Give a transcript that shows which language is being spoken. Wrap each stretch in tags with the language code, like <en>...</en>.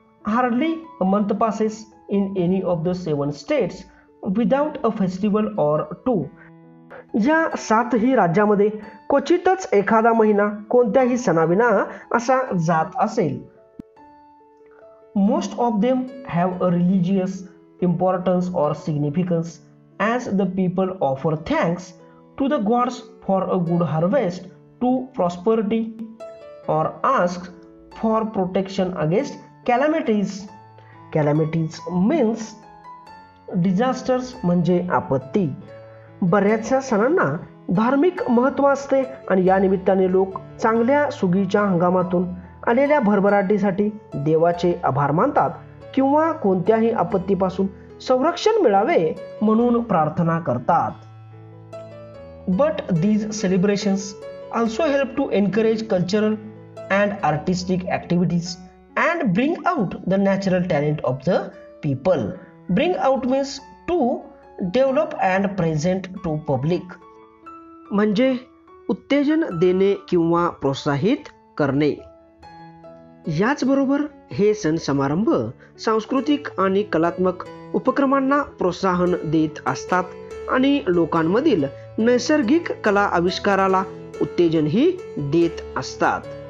<en>Hardly a month passes in any of the seven states without a festival or two.</en> <mr>या सातही राज्यामध्ये क्वचितच एखादा महिना कोणत्याही सणाविना असा जात असेल.</mr> <en>Most of them have a religious importance or significance as the people offer thanks to the gods for a good harvest, to prosperity, or ask for protection against calamities. Calamities means disasters,</en> <mr>म्हणजे आपत्ती. बऱ्याचशा सणांना धार्मिक महत्व असते आणि या निमित्ताने लोक चांगल्या सुगीच्या हंगामातून आलेल्या भरभराटीसाठी देवाचे आभार मानतात किंवा कोणत्याही आपत्तीपासून संरक्षण मिळावे म्हणून प्रार्थना करतात.</mr> <en>But these celebrations also help to encourage cultural and artistic activities and bring out the natural talent of the people. Bring out means to develop and present to public.</en> <mr>म्हणजे उत्तेजन देणे किंवा प्रोत्साहित करणे. याचबरोबर हे सण समारंभ सांस्कृतिक आणि कलात्मक उपक्रमांना प्रोत्साहन देत असतात आणि लोकांमधील नैसर्गिक कला आविष्काराला उत्तेजनही देत असतात.</mr>